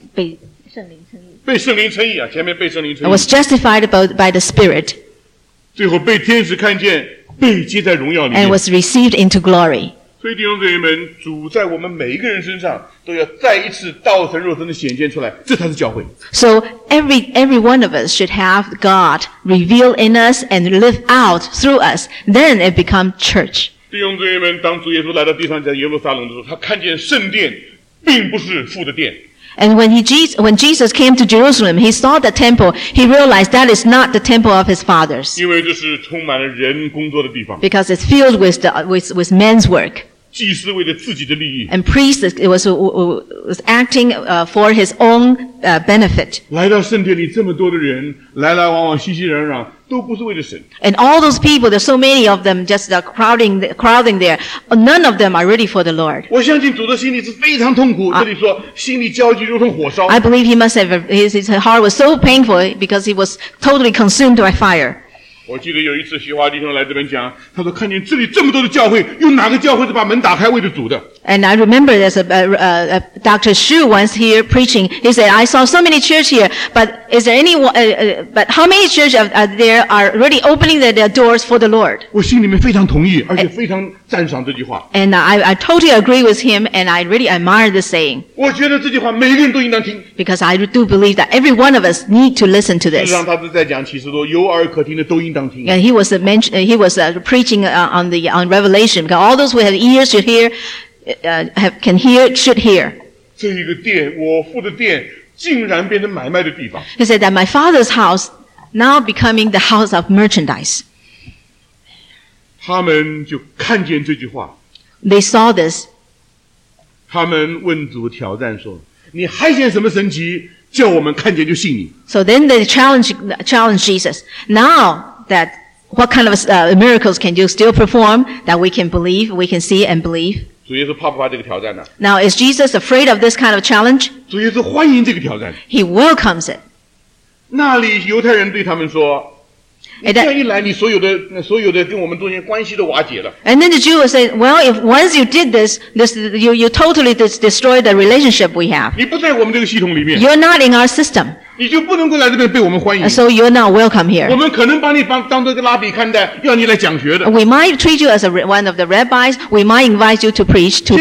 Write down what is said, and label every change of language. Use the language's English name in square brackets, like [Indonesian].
[Chinese] 被圣灵称义啊前面被圣灵称义。 [English] And was justified by the spirit. [Chinese] 最后被天使看见被接在荣耀里面。 [English] And was received into glory. [Chinese] 所以弟兄姊妹们，主在我们每一个人身上都要再一次道成肉身的显现出来，这才是教会。 [English] So every one of us should have God reveal in us and live out through us, then it become church. [Chinese] 弟兄姊妹们，当主耶稣来到地上在耶路撒冷的时候，他看见圣殿并不是父的殿。 [English] And when Jesus came to Jerusalem, he saw the temple. He realized that is not the temple of his fathers. [Chinese] 因为这是充满了人工作的地方。 [English] Because it's filled with men's work. [Chinese] 祭司为了自己的利益。 [English] And priest was acting for his own benefit. [Chinese] 来到圣殿里这么多的人，来来往往，熙熙攘攘，都不是为了神。 [English] And all those people, there's so many of them just crowding there. None of them are ready for the Lord. [Chinese] 我相信主的心里是非常痛苦，这里说心里焦急如同火烧。 [English] I believe he must have, his heart was so painful because he was totally consumed by fire. [Chinese] 我记得有一次徐华弟兄来这边讲，他说看见这里这么多的教会，有哪个教会是把门打开为了主的？ [English] And I remember there's a Dr. Xu once here preaching. He said, I saw so many church here, but is there but how many church there are really opening their doors for the Lord? [Chinese] 我心里面非常同意，而且非常赞赏这句话。 [English] And I totally agree with him, and I really admire the saying. [Chinese] 我觉得这句话每个人都应当听。 [English] Because I do believe that every one of us need to listen to this. [Chinese] 事实上他是在讲启示录，有耳可听的都。 [English] And he was preaching on Revelation. Because all those who have ears should hear, can hear, should hear. [Chinese] 这一个殿，我父的殿，竟然变成买卖的地方。 [English] He said that my father's house now becoming the house of merchandise. [Chinese] 他们就看见这句话。 [English] They saw this. [Chinese] 他们问主挑战说，你还显什么神迹，叫我们看见就信你。 [English] So then they challenge Jesus. Now that what kind of miracles can you still perform that we can believe, we can see and believe? [Chinese] 主耶稣怕不怕这个挑战呢？ [English] Now is Jesus afraid of this kind of challenge? [Chinese] 主耶稣欢迎这个挑战。 [English] He welcomes it. [Chinese] 那里犹太人对他们说，这样一来，你所有的跟我们中间关系都瓦解了。 [English] And then the Jew said, "Well, if once you did this, you totally destroy the relationship we have." [Chinese] 你不在我们这个系统里面。 [English] You're not in our system. [Chinese] 你就不能够来这边被我们欢迎。 [English] So you're not welcome here. [Chinese] 我们可能把你当作一个拉比看待，要你来讲学的。 [English] We might treat you as one of the rabbis. We might invite you to preach to teach.